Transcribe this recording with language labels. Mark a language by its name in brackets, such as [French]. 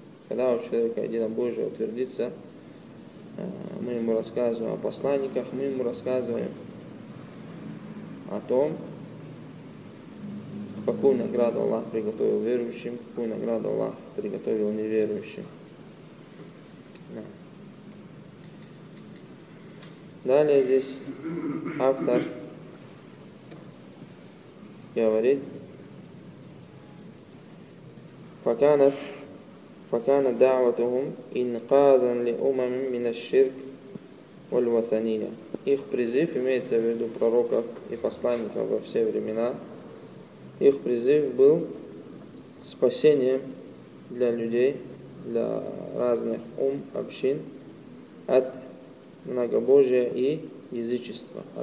[Russian] Когда у человека единобожие утвердится, мы ему рассказываем о посланниках, мы ему рассказываем о том, какую награду Аллах приготовил верующим, какую награду Аллах приготовил неверующим. Далее здесь автор говорит, [Arabic] فكان دعوتهم إنقاذا لأمم من الشرك والوثنية. [Russian] Их призыв, имеется в виду пророков и посланников во все времена, их призыв был спасением для людей, для разных общин от многобожия и язычества.